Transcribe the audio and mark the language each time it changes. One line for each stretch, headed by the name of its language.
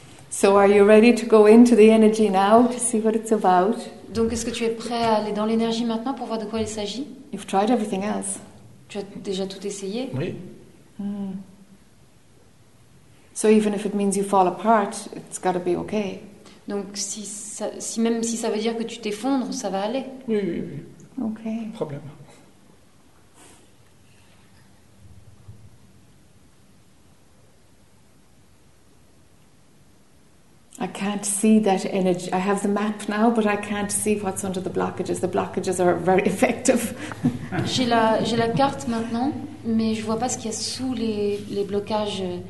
English: So are you ready to go into the energy now to see what it's about?
French: Donc est-ce que tu es prêt à aller dans l'énergie maintenant pour voir de quoi il s'agit?
English: You've tried everything else.
French: Tu as déjà tout essayé? Oui.
English: So even if it means you fall apart, it's got to be okay.
French: Donc si ça veut dire que tu t'effondres, ça va aller. Oui.
English: Okay.
French: Pas de problème.
English: I can't see that energy. I have the map now, but I can't see what's under the blockages. The blockages are very effective.
French: J'ai la carte maintenant, mais je vois pas ce qu'il y a sous les blocages.